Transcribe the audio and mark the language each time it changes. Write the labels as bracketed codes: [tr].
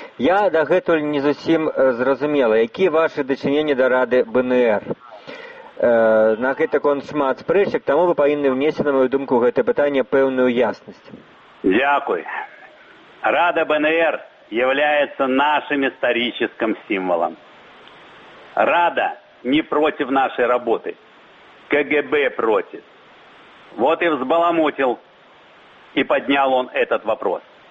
[be] Я дагэтуль не зусім зрозуміла, які ваші дачынення до Ради БНР? На гэта конт шмат спрэчак, тому вы павінны внесці, на мою думку, гэта питання пэўную яснасць. [uk] Дякую. [ru] Рада БНР является нашим историческим символом. Рада не против нашей работы. КГБ против. Вот и взбаламутил, и поднял он этот вопрос.